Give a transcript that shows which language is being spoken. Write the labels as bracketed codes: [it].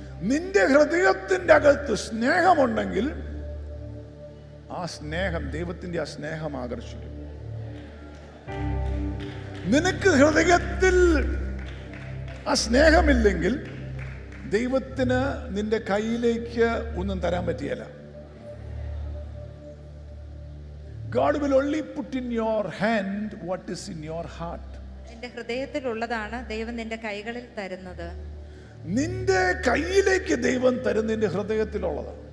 [ml] നിന്റെ ഹൃദയത്തിന്റെ അകത്ത് സ്നേഹമുണ്ടെങ്കിൽ ആ സ്നേഹം, ദൈവത്തിന്റെ ആ സ്നേഹം ആകർഷിക്കും. നിനക്ക് ഹൃദയത്തിൽ ആ സ്നേഹമില്ലെങ്കിൽ ദൈവത്തിന് നിന്റെ കയ്യിലേക്ക് ഒന്നും തരാൻ പറ്റിയല്ല. [en] God will only put in your hand what is in your heart. [ml] നിന്റെ ഹൃദയത്തിൽ ഉള്ളതാണ് ദൈവം നിന്റെ കൈകളിൽ തരുന്നത്. നിന്റെ കയ്യിലേക്ക് ദൈവം തരുന്ന നിന്റെ ഹൃദയത്തിലുള്ളത്.